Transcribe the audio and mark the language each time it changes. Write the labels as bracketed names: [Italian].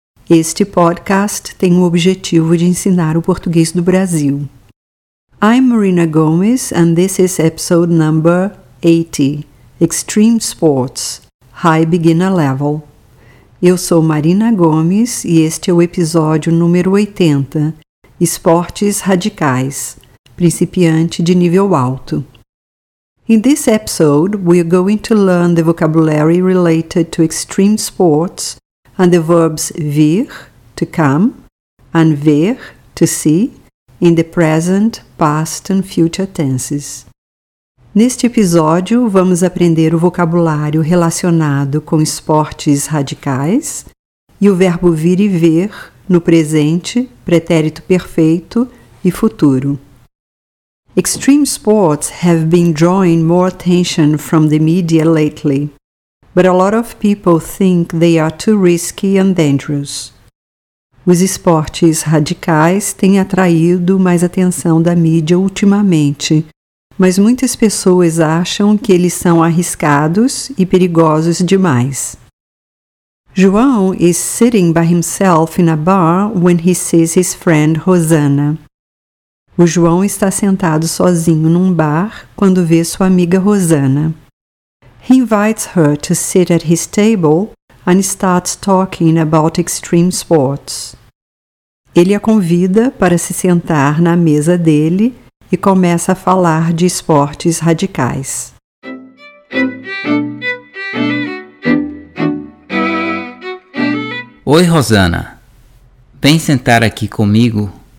[Portuguese] Este podcast tem o objetivo de ensinar o português do Brasil. [English] I'm Marina Gomes and this is episode number 80, Extreme Sports, High Beginner Level. [Portuguese] Eu sou Marina Gomes e este é o episódio número 80, Esportes Radicais, Principiante de Nível Alto. [English] In this episode, we are going to learn the vocabulary related to extreme sports and the verbs vir, to come, and ver, to see, in the present, past and future tenses. [Portuguese] Neste episódio, vamos aprender o vocabulário relacionado com esportes radicais e o verbo vir e ver no presente, pretérito perfeito e futuro. [English] Extreme sports have been drawing more attention from the media lately, but a lot of people think they are too risky and dangerous. [Portuguese] Os esportes radicais têm atraído mais atenção da mídia ultimamente, mas muitas pessoas acham que eles são arriscados e perigosos demais. [English] João is sitting by himself in a bar when he sees his friend Rosana. [Portuguese] O João está sentado sozinho num bar quando vê sua amiga Rosana. [English] He invites her to sit at his table and starts talking about extreme sports. [Portuguese] Ele a convida para se sentar na mesa dele e começa a falar de esportes radicais. Oi, Rosana. Vem sentar aqui comigo?